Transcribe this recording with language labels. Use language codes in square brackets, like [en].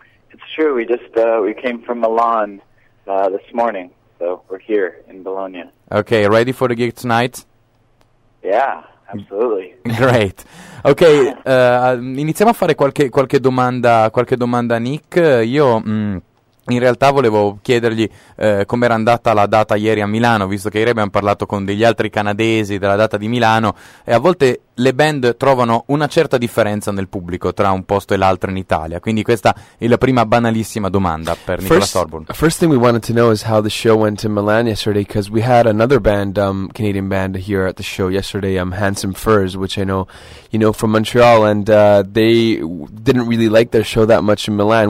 [en] It's true, we just we came from Milan this morning, so we're here in Bologna. Okay, ready for the gig tonight? Yeah, absolutely. Great. [it] Okay, iniziamo a fare qualche domanda a Nick. Io in realtà volevo chiedergli com'era andata la data ieri a Milano, visto che ieri abbiamo parlato con degli altri canadesi della data di Milano, e a volte le band trovano una certa differenza nel pubblico tra un posto e l'altro in Italia. Quindi questa è la prima banalissima domanda per Nicholas Thorburn. [en] First thing we wanted to know is how the show went in Milan yesterday, because we had another band, Canadian band here at the show yesterday, Handsome Furs, which I know you know from Montreal, and they didn't really like their show that much in Milan.